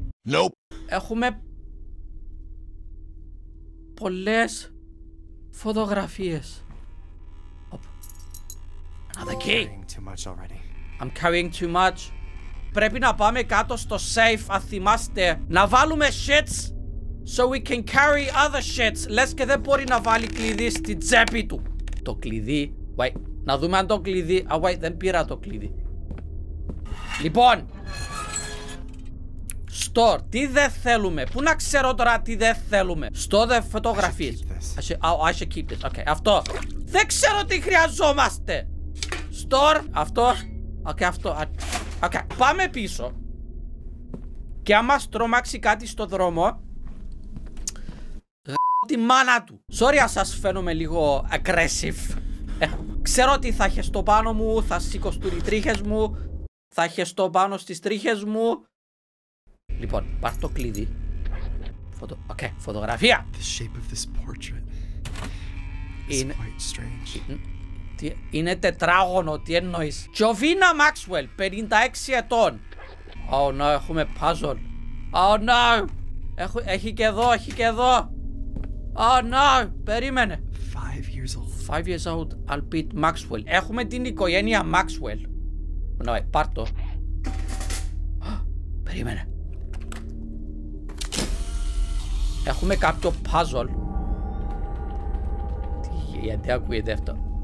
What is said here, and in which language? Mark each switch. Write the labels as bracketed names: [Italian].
[English] Nope. [Greek] Έχουμε πολλές φωτογραφίες. [English] Another key. I'm carrying too much. [Greek] Πρέπει να πάμε κάτω στο safe, αν θυμάστε. Να βάλουμε [English] shits so we can carry other shits. [Greek] Λες και δεν μπορεί να βάλει κλειδί στη τσέπη του. Το κλειδί. [English] Wait. [Greek] Να δούμε αν το κλειδί. [English] Oh, wait. [Greek] Δεν πήρα το κλειδί. Λοιπόν. Store. Τι δεν θέλουμε. Πού να ξέρω τώρα τι δεν θέλουμε. [English] Store the photographies. I should keep this. Okay. Αυτό. [Greek] Δεν ξέρω τι χρειαζόμαστε. Store. Αυτό. Okay. Αυτό. Okay. Πάμε πίσω. Και άμα στρώμαξει κάτι στο δρόμο. Γα***ω τη μάνα του. Sorry αν σας φαίνομαι λίγο aggressive. Ξέρω ότι θα χεστώ πάνω μου. Θα σηκωστούν οι τρίχες μου. Θα χεστώ πάνω στις τρίχες μου. Λοιπόν, πάρ' το κλειδί. Okay, φωτογραφία. [English] The shape of this portrait is quite strange. [Greek] Είναι τετράγωνο, τι εννοείς. Jovina Maxwell, 56 ετών. Oh no, έχουμε puzzle. [English] Oh no. [Greek] Έχει και εδώ, έχει και εδώ. [English] Oh no, περίμενε. 5 years old, Albert Maxwell. [Greek] Έχουμε την οικογένεια Maxwell. No, πάρ' το. Περίμενε. Έχουμε κάποιο puzzle. Τι, γιατί ακούγεται αυτό.